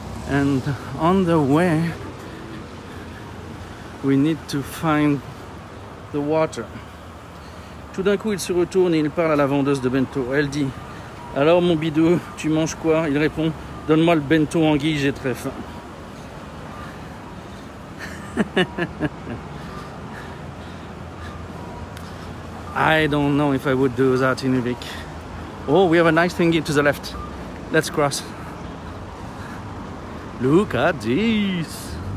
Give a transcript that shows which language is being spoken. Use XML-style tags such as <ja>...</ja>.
<en>And on the way, we need to find the water.</en> <fr>Tout d'un coup, il se retourne et il parle à la vendeuse de bento. Elle dit « Alors mon bidou, tu manges quoi ?» Il répond « Donne-moi le bento en guise, j'ai très faim.</fr> <en>» I don't know if I would do that in Ubik. Oh, we have a nice thingy to the left. Let's cross. Look at this.</en>